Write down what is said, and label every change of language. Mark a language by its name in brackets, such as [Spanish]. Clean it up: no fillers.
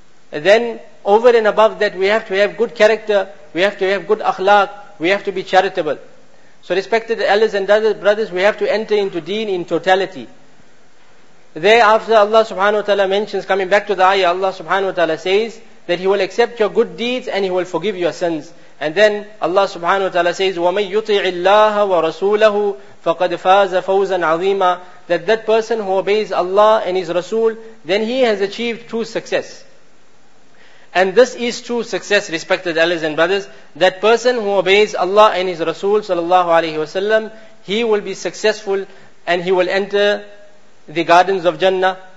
[English] And then, over and above that, we have to have good character, we have to have good akhlaq, we have to be charitable. So respected elders and brothers, we have to enter into deen in totality. Thereafter, Allah subhanahu wa ta'ala mentions, coming back to the ayah, Allah subhanahu wa ta'ala says that He will accept your good deeds and He will forgive your sins. And then Allah subhanahu wa ta'ala says, [Arabic] وَمَنْ يُطِعِ اللَّهَ وَرَسُولَهُ فَقَدْ فَازَ فَوْزًا عَظِيمًا. [English] That person who obeys Allah and His Rasul, then he has achieved true success. And this is true success, respected elders and brothers. That person who obeys Allah and His Rasul sallallahu alayhi wa sallam, he will be successful and he will enter the gardens of Jannah.